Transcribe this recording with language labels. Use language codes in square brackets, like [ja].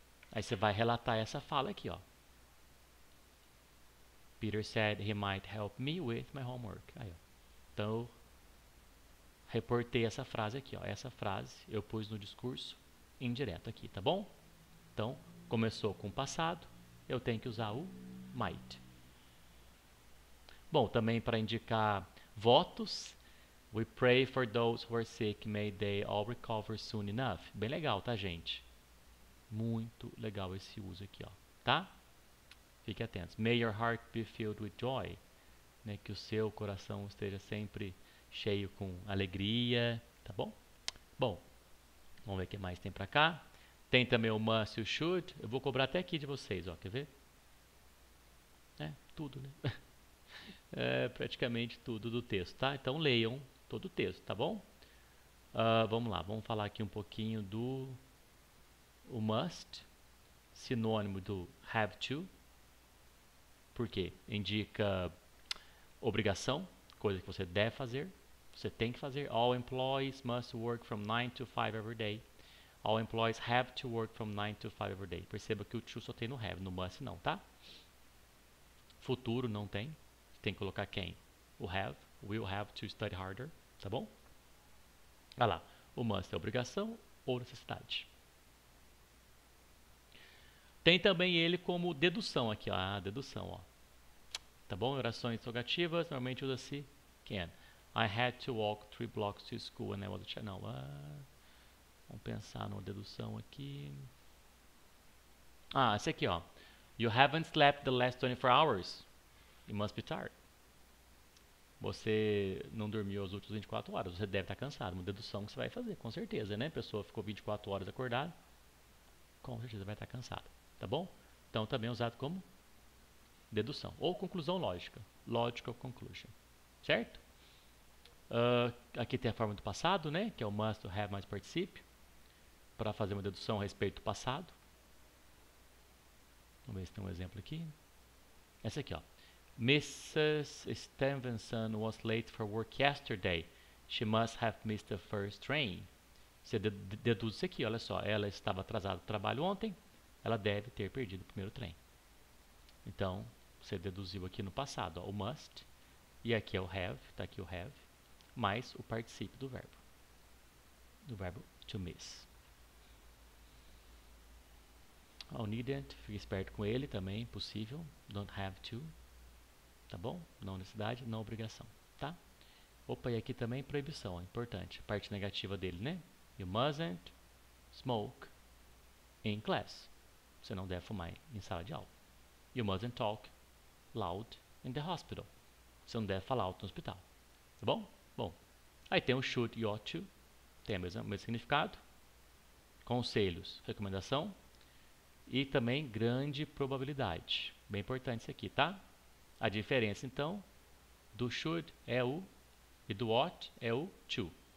[pt] Aí você vai relatar essa fala aqui, ó. [en] Peter said he might help me with my homework. [pt] Aí, ó. Então, reportei essa frase aqui, ó. Essa frase eu pus no discurso indireto aqui, tá bom? Então, começou com o passado, eu tenho que usar o might. Bom, também para indicar votos, [en] we pray for those who are sick, may they all recover soon enough. [pt] Bem legal, tá, gente? Muito legal esse uso aqui, ó. Tá? Fique atento. [en] May your heart be filled with joy. [pt] Né, que o seu coração esteja sempre cheio com alegria, tá bom? Bom, vamos ver o que mais tem pra cá. Tem também o must e o should. Eu vou cobrar até aqui de vocês, ó. Quer ver? É, tudo, né? É praticamente tudo do texto, tá? Então leiam todo o texto, tá bom? Vamos lá, vamos falar aqui um pouquinho do o must, sinônimo do have to. Por quê? Indica obrigação, coisa que você deve fazer, você tem que fazer. [en] All employees must work from 9 to 5 every day. All employees have to work from 9 to 5 every day. [pt] Perceba que o to só tem no have, no must não, tá? Futuro não tem. Tem que colocar quem? O have. [en] Will have to study harder, [pt] tá bom? Olha lá. O must é obrigação ou necessidade. Tem também ele como dedução aqui, ó. Ah, dedução, ó. Tá bom? Orações interrogativas, normalmente usa-se can. [en] I had to walk 3 blocks to school when I was a child. [pt] Não. Vamos pensar numa dedução aqui. Ah, esse aqui, ó. [en] You haven't slept the last 24 hours. You must be tired. [pt] Você não dormiu as últimas 24 horas. Você deve estar cansado. Uma dedução que você vai fazer, com certeza, né? A pessoa ficou 24 horas acordada. Com certeza vai estar cansada. Tá bom? Então também é usado como dedução ou conclusão lógica. [en] Logical conclusion. [pt] Certo? Aqui tem a forma do passado, né? Que é o must, have, mais participio. Para fazer uma dedução a respeito do passado. Vamos ver se tem um exemplo aqui. Essa aqui, ó. Mrs. [en] Stevenson was late for work yesterday. She must have missed the first train. [pt] Você deduz isso aqui, olha só. Ela estava atrasada do trabalho ontem. Ela deve ter perdido o primeiro trem. Então, você deduziu aqui no passado, ó, o must. E aqui é o have, tá aqui o have. Mais o particípio do verbo. Do verbo to miss. Oh, needn't, fique esperto com ele também, possível. [en] Don't have to. [pt] Tá bom? Não necessidade, não obrigação, tá? Opa, e aqui também proibição, importante. Parte negativa dele, né? [en] You mustn't smoke in class. [pt] Você não deve fumar em sala de aula. [en] You mustn't talk loud in the hospital. [pt] Você não deve falar alto no hospital. Tá bom? Bom. Aí tem o should e ought to. Tem o mesmo significado. Conselhos, recomendação. E também grande probabilidade. Bem importante isso aqui, tá? A diferença, então, do should é o e do ought é o to.